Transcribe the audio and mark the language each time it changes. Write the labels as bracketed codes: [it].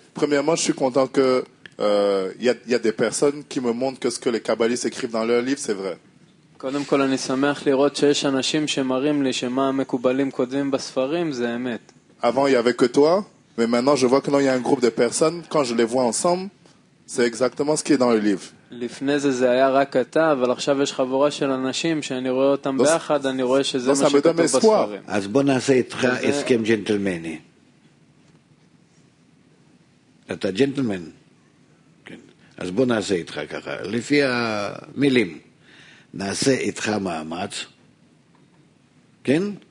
[fr] Premièrement, je suis content que y a des personnes qui me montrent que ce que les kabbalistes écrivent dans leurs livres, c'est vrai. [he] קודם כל אני שמח לראות שיש אנשים שמראים לי שמה המקובלים כותבים בספרים זה אמת. [fr] Avant, il y avait que toi, mais maintenant je vois que non, il y a un groupe de personnes, quand je les vois ensemble, c'est exactement ce qui est dans le livre. [he] לפני זה זה היה רק אתה, אבל עכשיו יש חבורה של אנשים שאני רואה אותם ביחד, אני רואה שזה מה שכתוב בספרים. אז בוא נעשה איתך הסכם ג'נטלמני. אתה ג'נטלמן, כן. אז בוא נעשה איתך ככה, לפי המילים, נעשה איתך מאמץ, כן?